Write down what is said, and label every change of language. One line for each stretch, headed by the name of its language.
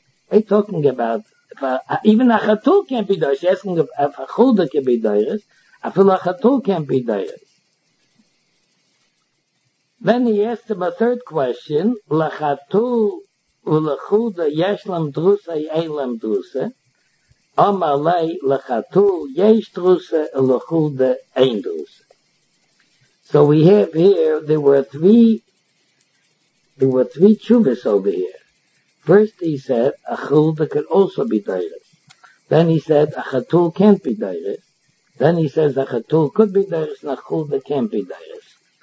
English: We're talking about, even a chatul can't be doiris, he's asking if a chulde can be doiris, af le chatul can't be doiris. Then he asked him a third question, le chatul,
Hebrew: ולחודה יש להם דרוסה,
English: אין להם דרוסה.
Hebrew: אמר לי, לחתול, יש דרוסה, ולחודה אין דרוסה.
English: So we have here, there were three tshuvas over here. First he said, a chulda could also be dairus. Then he said, a chatul can't be dairus. Then he says, a chatul could be dairus, and a chulda can't be dairus.